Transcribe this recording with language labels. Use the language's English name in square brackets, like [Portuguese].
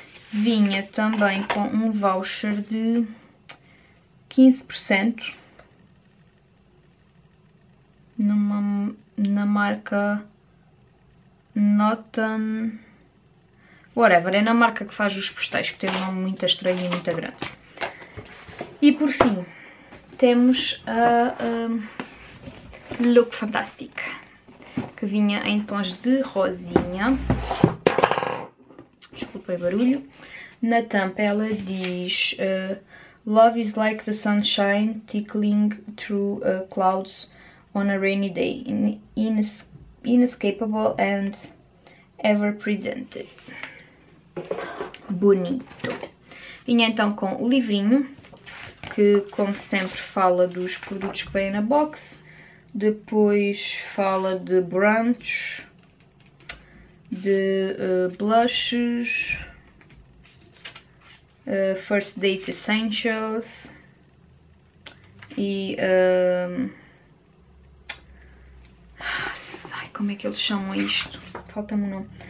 [Portuguese] Vinha também com um voucher de 15% na marca Notan, whatever, é na marca que faz os postais, que tem um nome muito estranho e muito grande. E por fim, temos a Look Fantastic, que vinha em tons de rosinha. Desculpa o barulho. Na tampa ela diz [English] Love is like the sunshine tickling through clouds on a rainy day, inescapable and ever presented. [Portuguese] Bonito. Vinha então com o livrinho, que, como sempre, fala dos produtos que vêm na box. Depois fala de brunch, de blushes, first date essentials e ai, como é que eles chamam isto? Falta-me um nome.